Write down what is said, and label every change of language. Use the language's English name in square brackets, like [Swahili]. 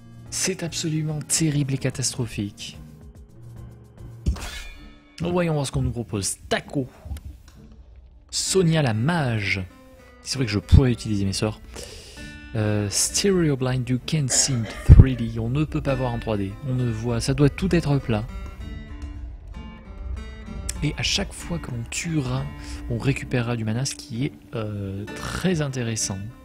[French] C'est absolument terrible et catastrophique. Voyons voir ce qu'on nous propose. Taco. Sonia la mage. C'est vrai que je pourrais utiliser mes sorts. [English] Stereo blind, you can't see in 3D. [French] On ne peut pas voir en 3D. On ne voit, ça doit tout être plat. Et à chaque fois que l'on tuera, on récupérera du mana, ce qui est très intéressant.